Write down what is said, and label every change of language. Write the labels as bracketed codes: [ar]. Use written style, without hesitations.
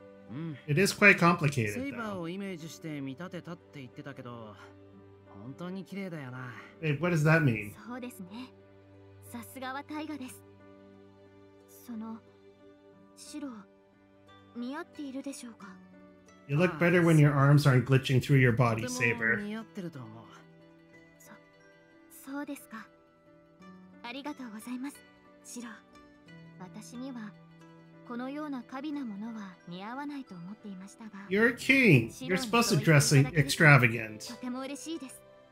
[en] うん。It is quite complicated. [ja] セイバーをイメージして見立てたって言ってたけど、本当に綺麗だよな。 [en] Hey, what does that mean? [ja] そうですね。さすがはタイガです。その白似合っているでしょうか。 [en] You look better when your arms aren't glitching through your body, Saber. [ja] とても似合ってると思う。そうですか。ありがとうございます、白。私にはこのような華美なものは似合わないと思っていましたが。 [en] You're a king. You're supposed to dress extravagant. [ja] とても嬉しいです。